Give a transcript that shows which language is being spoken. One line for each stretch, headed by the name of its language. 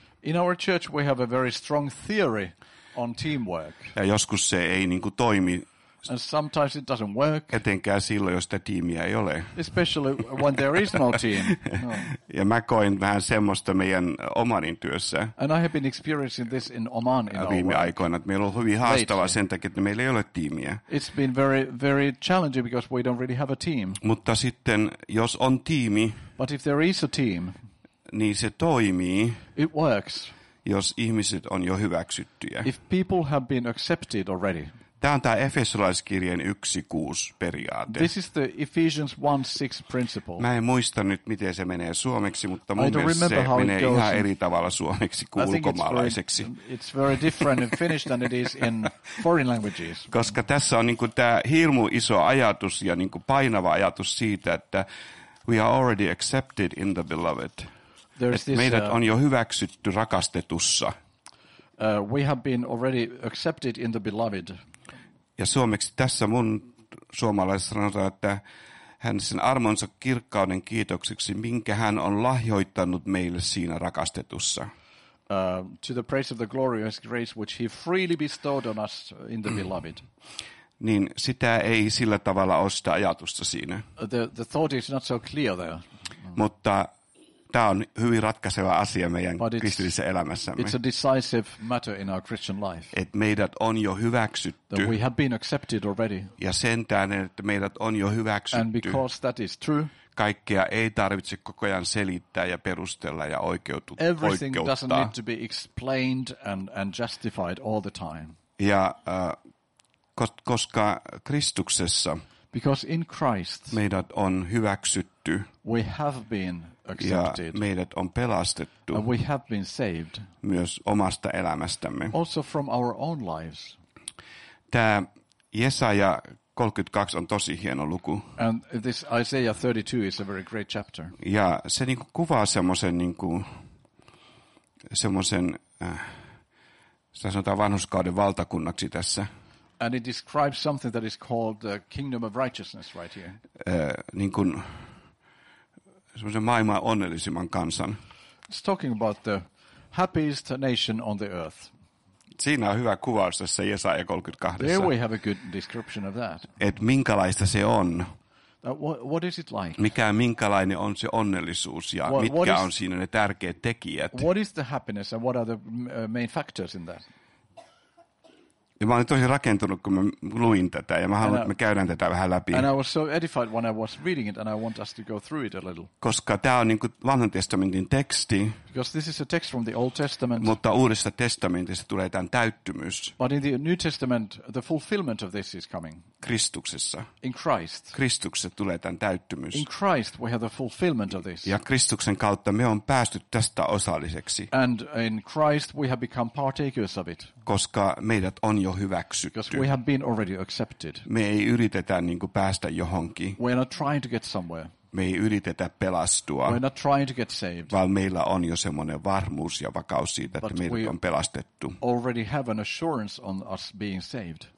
English: In our church we have a very strong theory on teamwork.
Finnish: Ja joskus se ei niinku toimi.
English: And sometimes it doesn't work.
Finnish: Etenkään silloin, jos sitä tiimiä ei ole.
English: Especially when there is no team.
Finnish: Ja mä koin vähän semmoista meidän Omanin työssä.
English: And I have been experiencing this in Oman in our
Finnish: viime aikoina, että meillä on hyvin haastavaa sen takia, että meillä ei ole tiimiä.
English: It's been very, very challenging because we don't really have a team.
Finnish: Mutta sitten, jos on tiimi.
English: But if there is a team.
Finnish: Niin se toimii,
English: it works.
Finnish: Jos ihmiset on jo hyväksyttyjä.
English: If people have been accepted already.
Finnish: Tämä on tämä Efesolaiskirjeen 1.6 periaate.
English: This is the Ephesians 1.6 principle.
Finnish: Mä en muista nyt, miten se menee suomeksi, mutta mun mielestä se menee ihan eri tavalla suomeksi kuin ulkomaalaiseksi.
English: It's very different in Finnish than it is in foreign languages.
Finnish: Koska tässä on niinku tämä hirmu iso ajatus ja niinku painava ajatus siitä, että
English: we are already accepted in the beloved.
Finnish: Meidät on jo hyväksytty rakastetussa.
English: We have been already accepted in the beloved.
Finnish: Ja suomeksi tässä mun suomalaisessa sanotaan, että hän sen armonsa kirkkauden kiitokseksi, minkä hän on lahjoittanut meille siinä rakastetussa.
English: To the praise of the glorious grace which he freely bestowed on us in the beloved.
Finnish: Niin sitä ei sillä tavalla ole sitä ajatusta siinä.
English: The thought is not so clear there.
Finnish: Mutta tämä on hyvin ratkaiseva asia meidän kristillisessä elämässämme.
English: It's a decisive matter in our Christian life.
Finnish: Et meidät on jo hyväksytty.
English: That we have been accepted already.
Finnish: Ja sen tähden, että meidät on jo hyväksytty.
English: And because that is true.
Finnish: Kaikkea ei tarvitse koko ajan selittää ja perustella ja oikeuttaa.
English: Everything doesn't need to be explained and justified all the time.
Finnish: Ja koska Kristuksessa.
English: Because in Christ.
Finnish: Meidät on hyväksytty.
English: We have been
Finnish: ja meidät on pelastettu
English: and we have been saved
Finnish: myös omasta elämästämme.
English: Also from our own lives.
Finnish: Tämä Jesaja 32 on tosi hieno luku.
English: And this Isaiah 32 is a very great chapter.
Finnish: Ja se niinku kuvaa semmoisen niinku semmoisen sanotaan vanhurskauden valtakunnaksi tässä.
English: And it describes something that is called the kingdom of righteousness right here.
Finnish: Niin kuin semmoisen maailman onnellisimman kansan.
English: It's talking about the happiest nation on the earth.
Finnish: Siinä on hyvä kuvaus tässä Jesaja 32.
English: There we have a good description of that.
Finnish: Et minkälaista se on.
English: What is it like?
Finnish: Mikä minkälainen on se onnellisuus ja mitkä on siinä ne tärkeät tekijät?
English: What is the happiness and what are the main factors in that?
Finnish: Ja mä olin tosi rakentunut, kun mä luin tätä, ja mä haluan, että me käydään tätä vähän läpi.
English: And I was so edified when I was reading it, and I want us to go through it a little.
Finnish: Koska tämä on niin kuin Vanhan testamentin teksti.
English: Because this is a text from the Old Testament.
Finnish: Mutta Uudesta testamentista tulee tämän täyttymys.
English: But in the New Testament, the fulfillment of this is coming.
Finnish: Kristuksessa.
English: In Christ.
Finnish: Kristuksessa tulee tämän täyttymys.
English: In Christ we have the fulfillment of this.
Finnish: Ja Kristuksen kautta me on päästy tästä osalliseksi.
English: And in Christ we have become partakers of it.
Finnish: Koska meidät on jo hyväksytty.
English: Because we have been already accepted.
Finnish: Me ei yritetä niin kuin päästä johonkin.
English: We are not trying to get somewhere.
Finnish: Me ei yritetä pelastua,
English: we're not trying to get saved.
Finnish: Vaan meillä on jo semmoinen varmuus ja vakaus siitä, että meidät on pelastettu.
English: Already have an assurance on us being saved.